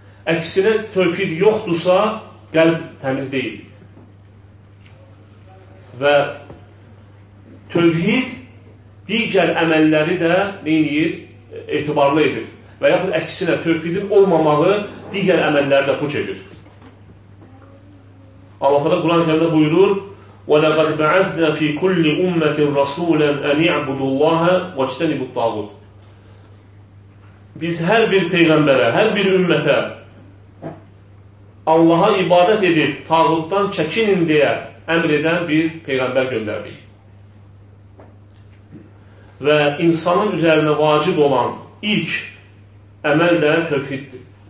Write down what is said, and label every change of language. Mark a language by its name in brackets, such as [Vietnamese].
[Azerbaijani] Əksinə, tövhid yoxdursa, qəlb təmiz deyil. Və tövhid digər əməlləri də neyir? Etibarlı edir. Və yaxud əksinə, tövhidin olmamağı digər əməlləri də puç edir. Allah da Quran-ı Kerimdə buyurur, [Arabic] وَلَقَدْ بَعَثْنَا فِي كُلِّ أُمَّةٍ رَسُولًا أَنْ يَعْبُدُوا اللَّهَ وَاجْتَنِبُوا الطَّاغُوتَ. [Azerbaijani] Biz hər bir peyğəmbərə, hər bir ümmətə Allaha ibadət edib, tağutdan çəkinin deyə əmr edən bir peyğəmbər göndərdik. Və insanın üzərinə vacib olan ilk əməl də tövhiddir.